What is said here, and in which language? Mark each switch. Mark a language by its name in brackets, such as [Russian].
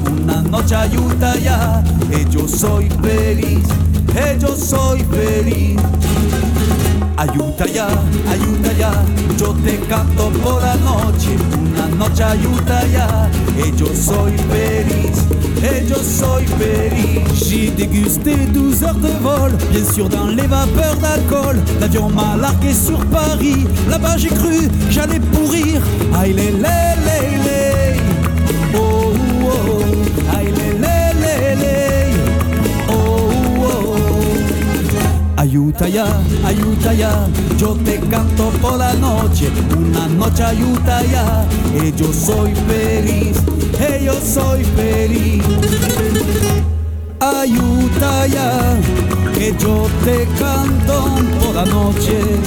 [Spanish] Una noche ayutaya, yo soy feliz, yo soy feliz. Ayutaya, ayutaya, yo te canto por la noche. Una noche ayutaya, yo soy feliz. [French] Et je suis péri. J'ai dégusté 12 heures de vol, bien sûr dans les vapeurs d'alcool. L'avion m'a largué sur Paris. Là-bas j'ai cru que j'allais pourrir. Aïe lé lé lé lé. Oh oh oh. Aïe lé lé lé lé. Oh oh. [Spanish] Ayutaya, ayutaya, yo te canto por la noche. Una noche ayutaya, [French] et je suis péri. [Spanish] Hey, yo soy feliz. Ayutaya, que yo te canto por la noche.